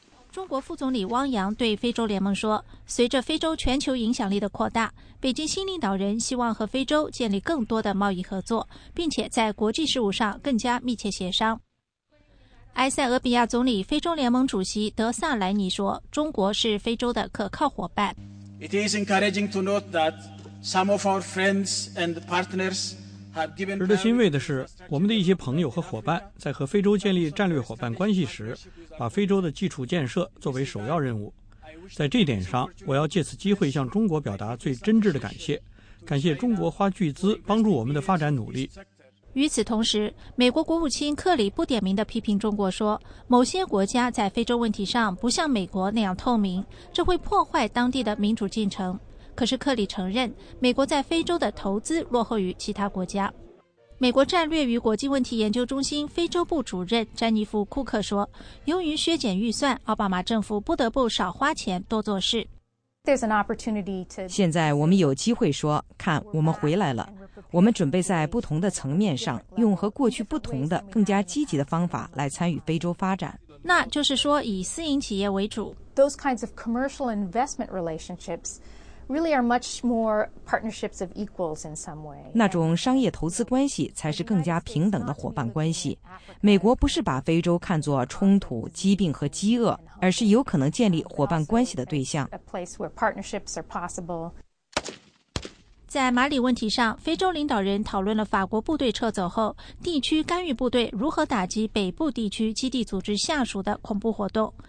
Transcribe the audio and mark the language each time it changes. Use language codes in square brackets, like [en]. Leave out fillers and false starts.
[zh] 中国副总理汪洋对非洲联盟说，随着非洲全球影响力的扩大，北京新领导人希望和非洲建立更多的贸易合作，并且在国际事务上更加密切协商。埃塞俄比亚总理、非洲联盟主席德萨莱尼说，中国是非洲的可靠伙伴。 [en] It is encouraging to note that some of our friends and partners have given [zh] 值得欣慰的是，我们的一些朋友和伙伴在和非洲建立战略伙伴关系时，把非洲的基础建设作为首要任务。在这点上，我要借此机会向中国表达最真挚的感谢，感谢中国花巨资帮助我们的发展努力。与此同时，美国国务卿克里不点名地批评中国说，某些国家在非洲问题上不像美国那样透明，这会破坏当地的民主进程。可是克里承认，美国在非洲的投资落后于其他国家。美国战略与国际问题研究中心非洲部主任詹妮弗·库克说，由于削减预算，奥巴马政府不得不少花钱多做事。现在我们有机会说，看，我们回来了。我们准备在不同的层面上用和过去不同的更加积极的方法来参与非洲发展，那就是说以私营企业为主。 [en] Those kinds of commercial investment relationships really are much more partnerships of equals in some way. [zh] 那种商业投资关系才是更加平等的伙伴关系。美国不是把非洲看作冲突、疾病和饥饿，而是有可能建立伙伴关系的对象。 [en] A place where partnerships are possible. [zh] 在马里问题上，非洲领导人讨论了法国部队撤走后，地区干预部队如何打击北部地区基地组织下属的恐怖活动。